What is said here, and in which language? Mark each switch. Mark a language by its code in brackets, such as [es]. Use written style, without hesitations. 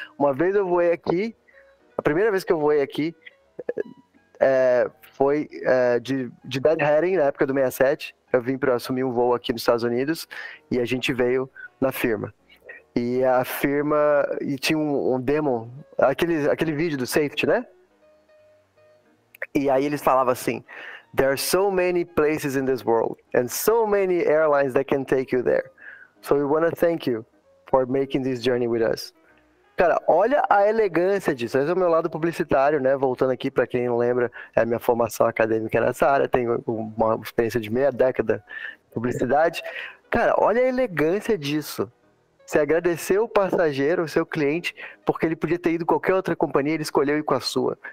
[pt] Uma vez eu voei aqui, a primeira vez que eu voei aqui foi de deadheading, na época do 67, eu vim para assumir um voo aqui nos Estados Unidos, e a gente veio na firma. E a firma, e tinha um demo, aquele vídeo do safety, né? E aí eles falavam assim, [en] there are so many places in this world and so many airlines that can take you there. So we want to thank you for making this journey with us. [pt] Cara, olha a elegância disso. Esse é o meu lado publicitário, né? Voltando aqui, para quem não lembra, é a minha formação acadêmica nessa área. Tenho uma experiência de meia década em publicidade. Cara, olha a elegância disso. Você agradeceu o passageiro, o seu cliente, porque ele podia ter ido com qualquer outra companhia, ele escolheu ir com a sua.